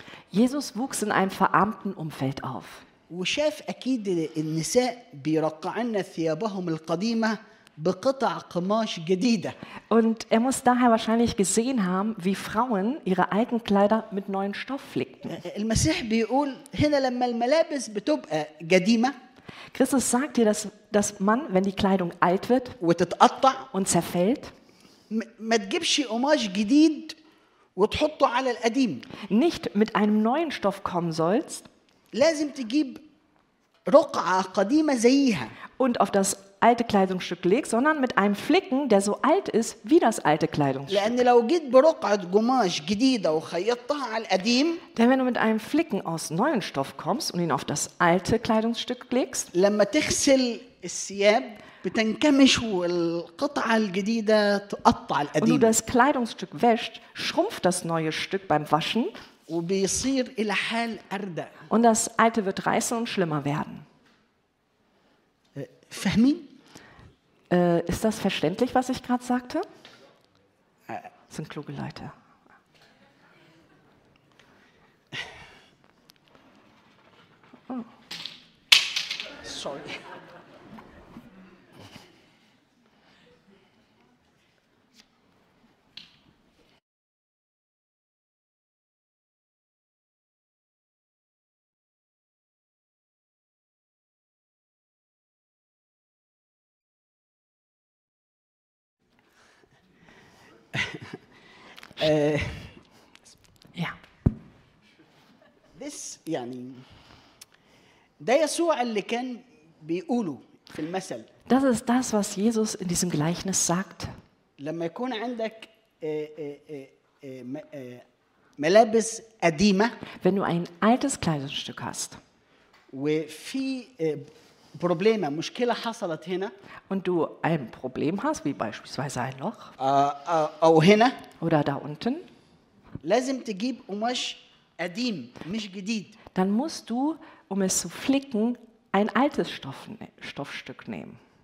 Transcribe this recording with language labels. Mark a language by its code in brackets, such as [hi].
[de] Jesus wuchs in einem verarmten Umfeld auf. [ar] وشاف أكيد النساء بيرقعن ثيابهم القديمة بقطع قماش جديدة. [de] Und er muss daher wahrscheinlich gesehen haben, wie Frauen ihre alten Kleider mit neuen Stoff flickten. [ar] المسيح بيقول هنا لما الملابس بتبقى قديمة. [de] Christus sagt dir, dass man, wenn die Kleidung alt wird [ar] وتتقطع [de] und zerfällt, [ar] ما تجيبش قماش جديد وتحطه على القديم. [de] Nicht mit einem neuen Stoff kommen sollst. [ar] لازم تجيب رقعة قديمة زيها. [de] Und auf das alte Kleidungsstück legst, sondern mit einem Flicken, der so alt ist wie das alte Kleidungsstück. [ar] لأن لو جيت برقعة قماش جديدة وخيطتها على القديم. [de] Denn wenn du mit einem Flicken aus neuen Stoff kommst und ihn auf das alte Kleidungsstück legst. [ar] لما تغسل الثياب بتنكمش والقطعة الجديدة تقطع القديم. [de] Und du das Kleidungsstück wäschst, schrumpft das neue Stück beim Waschen. [ar] وبيصير إلى حال أردى. [de] Und das alte wird reißen und schlimmer werden. [ar] فهمين؟ [de] Ist das verständlich, was ich gerade sagte? Das sind kluge Leute. [en] Oh. Sorry. [de] Ja. [ar] This, يعني, ده يسوع اللي كان بيقوله في المثل. [de] Das ist das, was Jesus in diesem Gleichnis sagt. [ar] لما يكون عندك ملابس قديمة. [de] Wenn du ein altes Kleidungsstück hast. [ar] وفي Probleme, مشكلة حصلت هنا. [de] Und du ein Problem hast, wie beispielsweise ein Loch. [ar] أو هنا. [de] Oder da unten. [ar] لازم تجيب قماش قديم مش جديد. [de] Dann musst du, um es zu flicken, ein altes Stoffstück nehmen.